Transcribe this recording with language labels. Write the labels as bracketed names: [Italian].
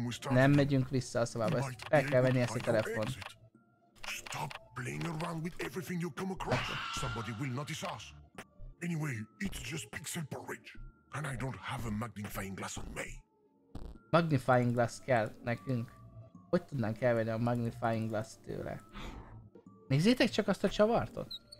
[Hungarian] Nem megyünk vissza a szobába, ezt el kell venni ezt a telefon. [English] Stop playing around with everything you come across. Somebody will notice us. Anyway, it's just pixel porridge. And I don't have a magnifying glass on me. [Hungarian] Magnifying glass kell nekünk. Hogy tudnánk elvenni a magnifying glass tőle? Nézzétek csak azt a csavartot.